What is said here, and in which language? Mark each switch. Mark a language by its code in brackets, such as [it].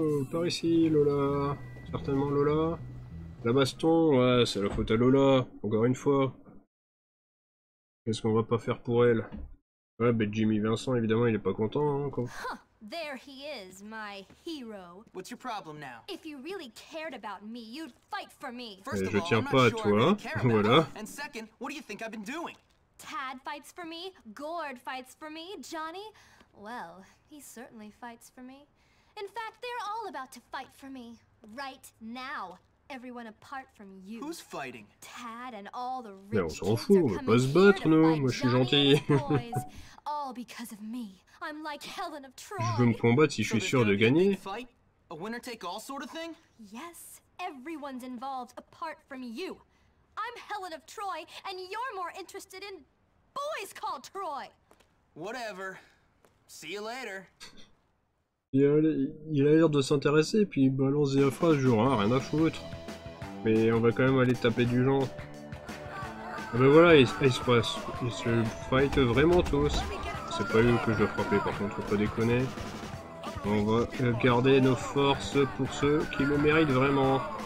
[fr] Par ici, Lola. Certainement Lola. La baston, ouais, c'est la faute à Lola. Encore une fois. Qu'est-ce qu'on va pas faire pour elle? Ouais, ben Jimmy Vincent, évidemment, il est pas content, hein, quoi. [en] There he is, my hero. What's your problem now? If you really cared about me, you'd fight for me. [fr] Je tiens pas à toi, voilà. [en] And second, what do you think I've been doing? Tad fights for me, Gord fights for me, Johnny. Well, he certainly fights for me. In fact, they're all about to fight for me right now. Everyone apart from you. Who's fighting? Tad and all the rich. [fr] Mais on s'en fout, on va pas se battre, nous. Moi, je suis gentil. [en] All because of me. I'm like Helen of Troy. [fr] Je veux me combattre si je suis sûr de gagner. [en] A winner take all sort of thing? Yes, everyone's involved apart from you. I'm Helen of Troy and you're more interested in boys called Troy. Whatever. See you later. [fr] Il a l'air de s'intéresser, puis il balance des phrases, genre, hein, rien à foutre. Mais on va quand même aller taper du genre. Ah ben voilà, il se fight vraiment tous. C'est pas eux que je dois frapper, par contre, faut pas déconner. On va garder nos forces pour ceux qui le méritent vraiment.